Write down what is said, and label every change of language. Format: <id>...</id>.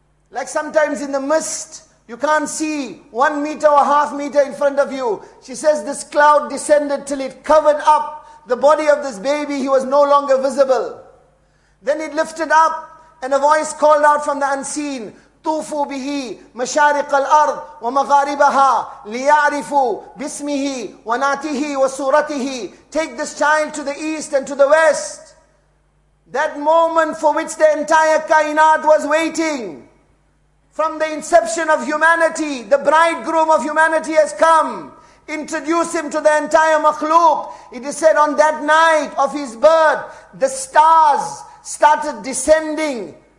<en>Like sometimes in the mist, you can't see 1 meter or 1/2 meter in front of you. She says this cloud descended till it covered up the body of this baby. He was no longer visible. Then it lifted up and a voice called out from the unseen.</en> <ar>طوفوا به مشارق الأرض ومغاربها ليعرفوا باسمه وناته وصورته.</ar> <en>Take this child to the east and to the west. That moment for which the entire kainat was waiting. From the inception of humanity, the bridegroom of humanity has come. introduce him to the entire makhluk. It is said on that night of his birth, the stars started descending.</en>